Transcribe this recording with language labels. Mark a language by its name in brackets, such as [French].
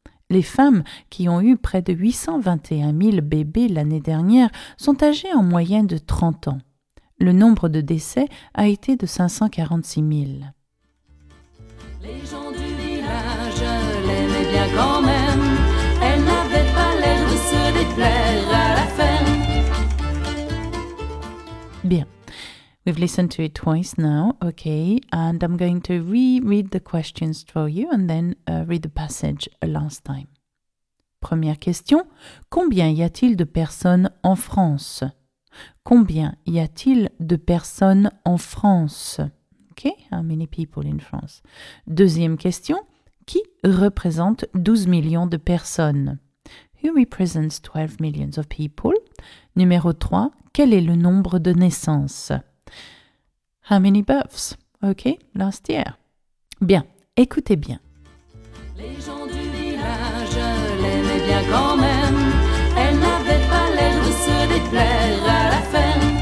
[French] Les femmes qui ont eu près de 821 000 bébés l'année dernière sont âgées en moyenne de 30 ans. Le nombre de décès a été de 546 000. Les gens du village l'aimaient bien quand même. Elle n'avait pas l'air de se déplaire à la ferme. Bien. [English] We've listened to it twice now, okay, and I'm going to reread the questions for you and then read the passage a last time. [French] Première question, combien y a-t-il de personnes en France? Combien y a-t-il de personnes en France? [English] Okay, how many people in France? [French] Deuxième question, qui représente 12 millions de personnes? [English] Who represents 12 millions of people? [French] Numéro 3, quel est le nombre de naissances? [English] How many births? Okay, last year. [French] Bien, écoutez bien. Les gens du village l'aimaient bien quand même. Elle n'avait pas l'air de se déplaire à la ferme.